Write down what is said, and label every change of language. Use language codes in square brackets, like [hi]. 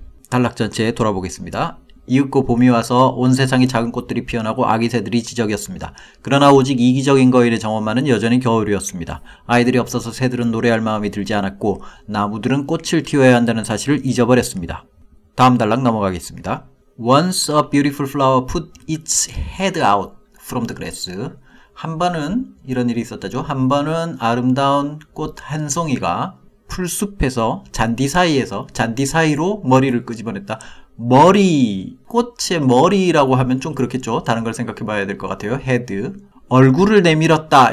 [ko] 단락 전체에 돌아보겠습니다. 이윽고 봄이 와서 온 세상이 작은 꽃들이 피어나고 아기 새들이 지적이었습니다. 그러나 오직 이기적인 거인의 정원만은 여전히 겨울이었습니다. 아이들이 없어서 새들은 노래할 마음이 들지 않았고 나무들은 꽃을 피워야 한다는 사실을 잊어버렸습니다. 다음 단락 넘어가겠습니다. [en] Once a beautiful flower put its head out from the grass. [ko] 한 번은 이런 일이 있었다죠. 한 번은 아름다운 꽃 한 송이가 풀숲에서 잔디 사이에서 잔디 사이로 머리를 끄집어냈다. 머리, 꽃의 머리라고 하면 좀 그렇겠죠. 다른 걸 생각해 봐야 될 것 같아요. 헤드, 얼굴을 내밀었다.